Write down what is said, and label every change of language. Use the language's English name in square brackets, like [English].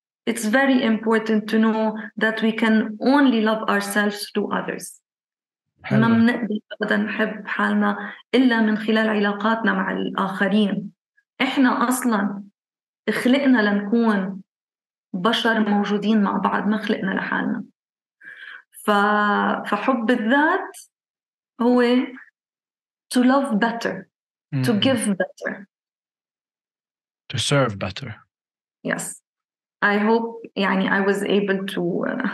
[English] It's very important to know that we can only love ourselves through others. [Arabic] حلو. ما منقدر أبدا نحب حالنا إلا من خلال علاقاتنا مع الآخرين. إحنا أصلا خلقنا لنكون بشر موجودين مع بعض، ما خلقنا لحالنا. فحب الذات هو [English] to love better, to give better, to serve better. Yes, I hope. [Arabic] يعني [English] I was able to.